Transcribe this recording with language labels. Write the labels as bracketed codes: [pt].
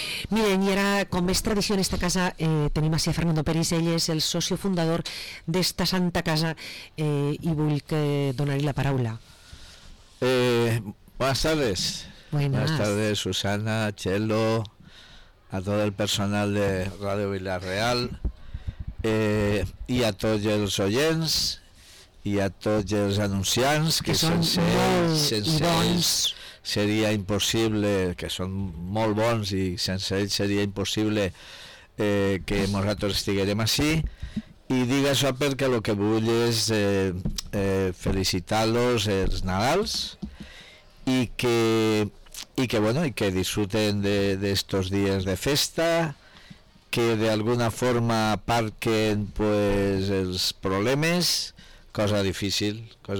[ca] Miren, y ara, com és tradició en esta casa, tenim així a Fernando Peris, ell és el soci fundador d'esta santa casa i vull que donar-li la paraula. [es] Buenas tardes. Buenas tardes, Susana, Chelo, a todo el personal de Radio Villarreal y a todos los oyentes y a todos los anunciantes que son [ca] sense ells [es] sería imposible, que son muy bons y sense ells sería imposible que nosotros [ca] estiguéssim [es] así. Y diga eso porque lo que [ca] vull [es] es felicitarlos [ca] els Nadals [es] y que disfruten de estos días de festa, que de alguna forma aparquen pues [ca] els problemes, [es] cosa difícil